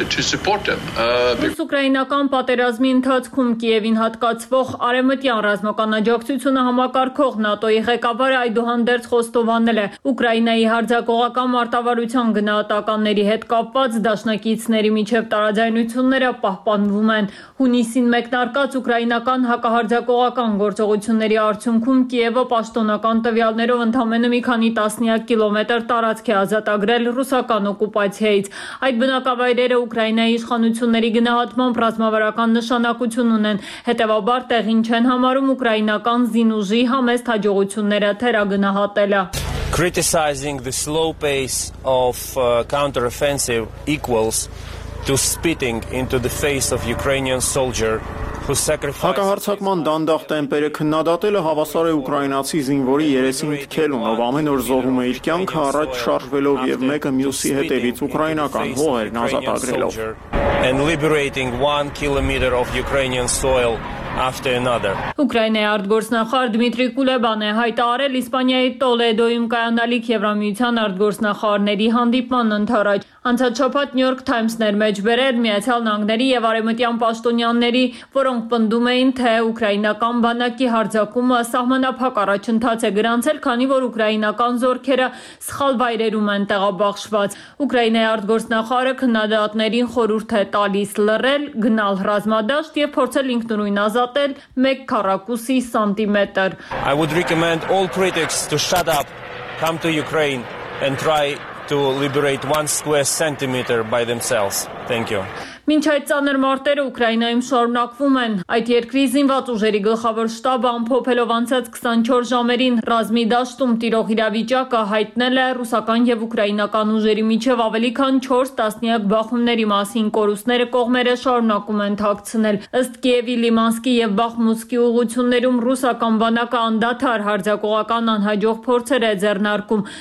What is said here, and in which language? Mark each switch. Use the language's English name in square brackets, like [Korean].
[Armenian] Ուկրաինական պատերազմի ընթացքում Կիևին հատկացվող արևմտյան ռազմական աջակցությունը համակարգող ՆԱՏՕ-ի ղեկավարը այդուհանդերձ խոստովանել է Ուկրաինայի հարձակողական մարտավարության գնահատականների հետ կապված դաշնակիցների միջև տարաձայնությունները պահպանվում են։ Հունիսին մեկնարկած ուկրաինական հակահարձակողական գործողությունների արդյունքում Կիևը պաշտոնական տվյալներով ընդամենը մի քանի տասնյակ կիլոմետր տարածք է ազատագրել ռուսական օկուպացիայից։ Այդ բնակավայրերը Ուկրաինայի իշխանությունների գնահատմամբ ռազմավարական նշանակություն ունեն, հետևաբար տեղին չեն համարում ուկրաինական զինուժի համեստ հաջողությունները թերագնահատելը։ [English] Criticizing the slow pace of counter-offensive equals to spitting into the face of Ukrainian soldier who sacrificed. [Armenian] Հակահարձակման դանդաղ տեմպերը քննադատելը հավասար է ուկրաինացի զինվորի երեսին թքելուն, ով ամեն օր զոհում է իր կյանքը առաջ շարժվելով եւ մեկը մյուսի հետևից ուկրաինական հողերն ազատագրելով. [English] And liberating 1 kilometer of Ukrainian soil after another. [Armenian] Ուկրաինայի արտգործնախարար Դմիտրի Կուլեբան է հայտարարել Իսպանիայի Տոլեդոյում կայանալիք Եվրամիության արտգործնախարարների հանդիպման ընթարաճ Անցաչափած New York Times-ներ մեջ բերել Միացյալ Նահանգների եւ Արևմտյան Պաշտոնյաների, որոնք պնդում էին, թե ուկրաինական բանակի հարձակումը սահմանափակ առաջընթաց է գրանցել, քանի որ ուկրաինական զորքերը սխալ վայրերում են տեղաբախշված։ Ուկրաինայի արտգործնախարարը քննադատներին խորհուրդ է տալիս լռել, գնալ ռազմադաշտ եւ փորձել ինքնուրույն ազատել 1 քառակուսի սանտիմետր։ [English] I would recommend all critics to shut up, come to Ukraine and try to liberate 1 square centimeter by themselves. Thank you. [Armenian] Մինչ այդ ցաներ մարտերը Ուկրաինայում շարունակվում են, այդ երկրի զինված ուժերի գլխավոր շտաբը ամփոփելով անցած 24 ժամերին ռազմիդաշտում տիրող իրավիճակը հայտնել է ռուսական եւ ուկրաինական ուժերի միջև ավելի քան 4 տասնյակ բախումների մասին կորուստները կողմերը շարունակում են թաքցնել։ Ըստ Կիևի, Լիմանսկի եւ Բախմուտսկի ուղություններում ռուսական բանակը անդադար հարձակողական անհաջող փորձեր է ձեռնարկում։